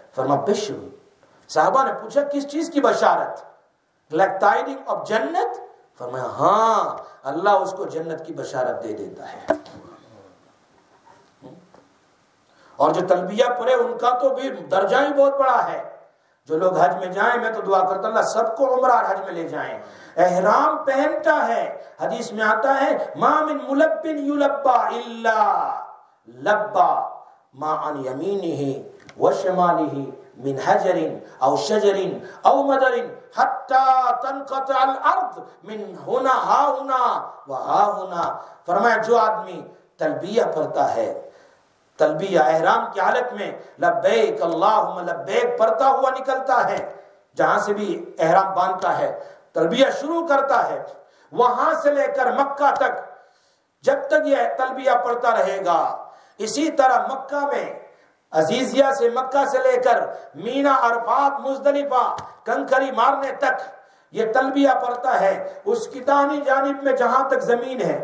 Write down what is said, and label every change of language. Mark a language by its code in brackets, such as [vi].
[ur] فرما بشر, صحابہ نے پوچھا کس چیز کی بشارت, [en] like tiding of [ur] جنت؟ فرمایا ہاں, اللہ اس کو جنت کی بشارت دے دیتا ہے. اور جو تلبیہ پڑھے ان کا تو بھی درجہ ہی بہت بڑا ہے. جو لوگ حج میں جائیں, میں تو دعا کرتا ہوں اللہ سب کو عمرہ اور حج میں لے جائیں, احرام پہنتا ہے. [ar] حدیث میں آتا ہے ما من ملب یلبا الا لبا ما عن یمینہ و شمالہ من حجر او شجر او مدر حتى تنقطع الارض من هنا ها هنا و ها هنا. [ur] فرمایا جو آدمی تلبیہ پڑھتا ہے, تلبیہ احرام کی حالت میں لبیک اللہم لبیک پڑھتا ہوا نکلتا ہے, جہاں سے بھی احرام باندھتا ہے تلبیہ شروع کرتا ہے, وہاں سے لے کر مکہ تک جب تک یہ تلبیہ پڑھتا رہے گا, اسی طرح مکہ میں عزیزیہ سے مکہ سے لے کر مینا عرفات مزدلفہ کنکری مارنے تک یہ تلبیہ پڑھتا ہے, اس کی دانی جانب میں جہاں تک زمین ہے.